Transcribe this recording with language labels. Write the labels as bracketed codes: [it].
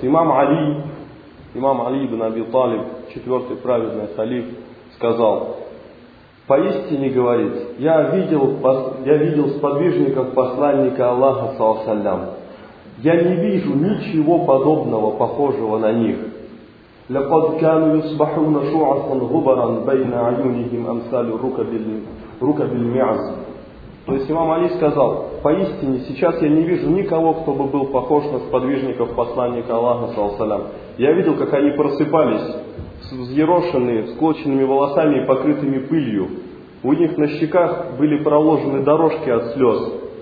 [ru] Имам Али ибн Аби Талиб, четвертый праведный халиф, сказал: «Поистине говорит, я видел сподвижников посланника Аллаха, салсалям. Я не вижу ничего подобного, похожего на них. [ar] لقد كانوا يصبحون شعثا غبرا بين عيونهم أمثال ركب المعز». [ru] То есть имам Али сказал: «Поистине сейчас я не вижу никого, кто бы был похож на сподвижников посланника Аллаха салям. Я видел, как они просыпались, взъерошенные, склоченными волосами и покрытыми пылью. У них на щеках были проложены дорожки от слез.